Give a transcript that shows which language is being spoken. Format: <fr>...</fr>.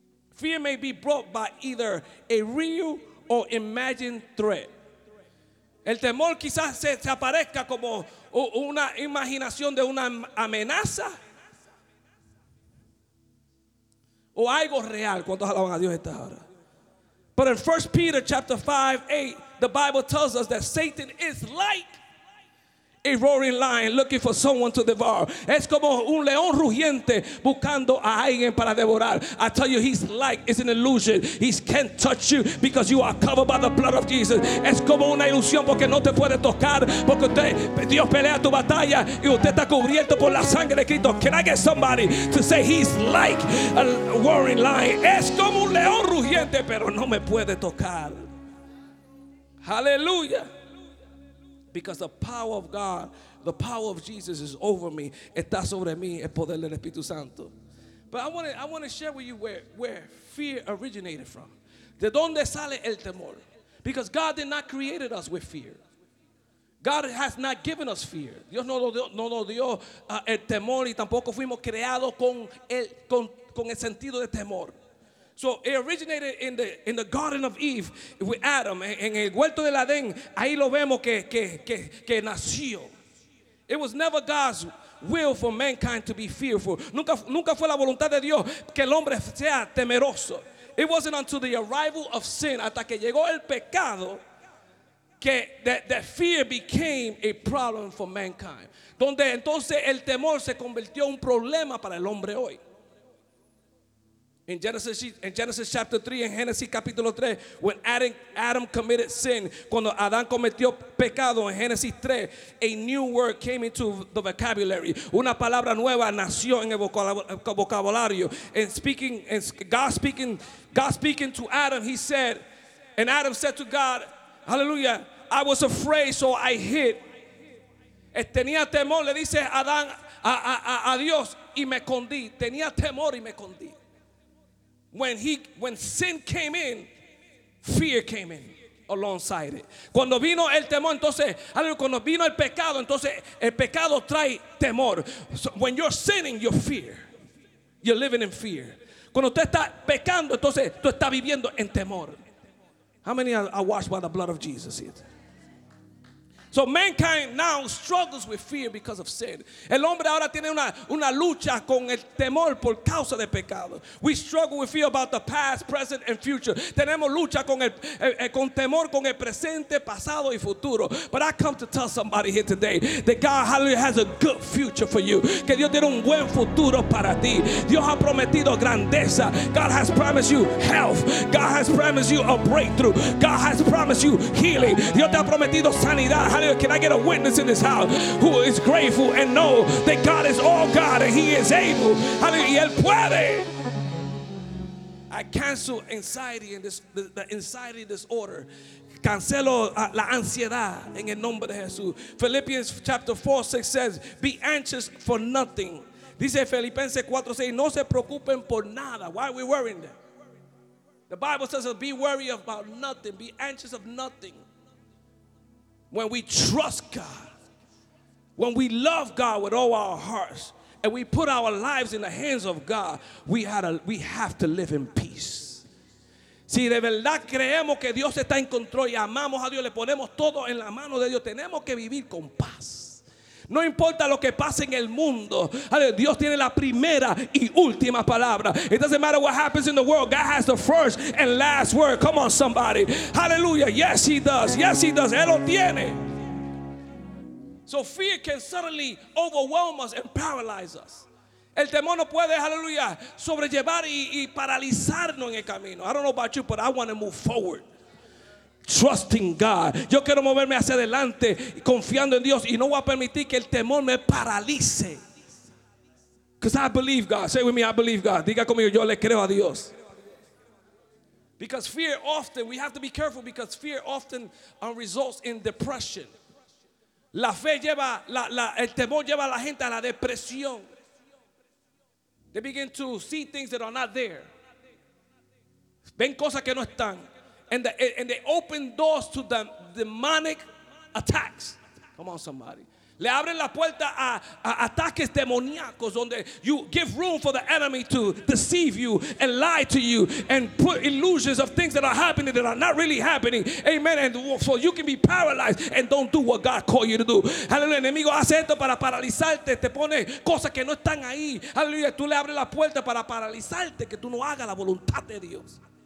<en>Fear may be brought by either a real or imagine threat.</en> <es>El temor quizás se aparezca como una imaginación de una amenaza o algo real. ¿Cuántos alaban a Dios esta hora?</es> <en>But in 1 Peter chapter 5, 8, the Bible tells us that Satan is like a roaring lion looking for someone to devour.</en> <es>Es como un león rugiente buscando a alguien para devorar.</es> <en>I tell you, he's like, it's an illusion. He can't touch you because you are covered by the blood of Jesus.</en> <es>Es como una ilusión porque no te puede tocar, porque Dios pelea tu batalla y usted está cubierto por la sangre de Cristo.</es> <en>Can I get somebody to say he's like a roaring lion?</en> <es>Es como un león rugiente, pero no me puede tocar.</es> <en>Hallelujah. Because the power of God, the power of Jesus is over me.</en> <es>Está sobre mí el poder del Espíritu Santo.</es> <en>But I want to share with you where fear originated from.</en> <es>De donde sale el temor.</es> <en>Because God did not create us with fear. God has not given us fear.</en> <es>Dios no nos dio el temor y tampoco fuimos creados con el sentido de temor.</es> <en>So it originated in the Garden of Eve with Adam.</en> <es>En el huerto del Edén, ahí lo vemos que nació.</es> <en>It was never God's will for mankind to be fearful.</en> <es>Nunca fue la voluntad de Dios que el hombre sea temeroso.</es> <en>It wasn't until the arrival of sin,</en> <es>hasta que llegó el pecado, que</es> <en>that fear became a problem for mankind.</en> <es>Donde entonces el temor se convirtió en un problema para el hombre hoy.</es> <en>In Genesis chapter 3, in Genesis</en> <es>capítulo 3,</es> <en>when Adam committed sin,</en> <es>cuando Adán cometió pecado,</es> <en>in Genesis 3, a new word came into the vocabulary.</en> <es>Una palabra nueva nació en el vocabulario.</es> <en>And God speaking to Adam, he said, and Adam said to God, hallelujah, I was afraid, so I hid.</en> <es>Tenía temor, le dice Adán a Dios, y me escondí. Tenía temor y me escondí.</es> <en>When sin came in, fear came in. alongside it.</en> <es>Cuando vino el temor, entonces, cuando vino el pecado, entonces el pecado trae temor.</es> <en>So when you're sinning, you fear. You're living in fear.</en> <es>Cuando usted está pecando, entonces tú estás viviendo en temor.</es> <en>How many are washed by the blood of Jesus yet? So mankind now struggles with fear because of sin.</en> <es>El hombre ahora tiene una lucha con el temor por causa de pecado.</es> <en>We struggle with fear about the past, present, and future.</en> <es>Tenemos lucha con temor con el presente, pasado, y futuro.</es> <en>But I come to tell somebody here today that God, hallelujah, has a good future for you.</en> <es>Que Dios tiene un buen futuro para ti. Dios ha prometido grandeza.</es> <en>God has promised you health. God has promised you a breakthrough. God has promised you healing.</en> <es>Dios te ha prometido sanidad. Hallelujah.</es> <en>Can I get a witness in this house who is grateful and know that God is all God and He is able? Hallelujah.</en> <es>Y él puede.</es> <en>I cancel anxiety in this the anxiety disorder.</en> <es>Cancelo la ansiedad en el nombre de Jesús.</es> <en>Philippians chapter 4:6 says, "Be anxious for nothing."</en> <es>Dice Filipenses 4:6, "No se preocupen por nada."</es> <en>Why are we worrying? The Bible says, "Be worry about nothing. Be anxious of nothing." When we trust God, when we love God with all our hearts, and we put our lives in the hands of God, we have to live in peace.</en> <es>Si de verdad creemos que Dios está en control y amamos a Dios, le ponemos todo en la mano de Dios, tenemos que vivir con paz. No importa lo que pase en el mundo, Dios tiene la primera y última palabra.</es> <en>It doesn't matter what happens in the world, God has the first and last word. Come on, somebody. Hallelujah. Yes, He does. Yes, He does.</en> <es>Él lo tiene.</es> <en>So fear can suddenly overwhelm us and paralyze us.</en> <es>El temor no puede, hallelujah, sobrellevar y paralizarnos en el camino.</es> <en>I don't know about you, but I want to move forward. Trusting God.</en> <es>Yo quiero moverme hacia adelante, confiando en Dios, y no voy a permitir que el temor me paralice.</es> <en>Because I believe God. Say with me, I believe God.</en> <es>Diga conmigo, yo le creo a Dios.</es> <en>Because fear often, we have to be careful, because fear often results in depression.</en> <es>La fe lleva, el temor lleva a la gente a la depresión.</es> <en>They begin to see things that are not there.</en> <es>Ven cosas que no están.</es> <en>And they open doors to the demonic attacks. Come on, somebody.</en> <es>Le abren la puerta a ataques demoníacos, donde</es> <en>you give room for the enemy to deceive you and lie to you and put illusions of things that are happening that are not really happening. Amen. And so you can be paralyzed and don't do what God called you to do.</en> <es>Hallelujah. El enemigo hace esto para paralizarte. Te pone cosas que no están ahí. Hallelujah. Tú le abres la puerta para paralizarte, que tú no hagas la voluntad de Dios.</es>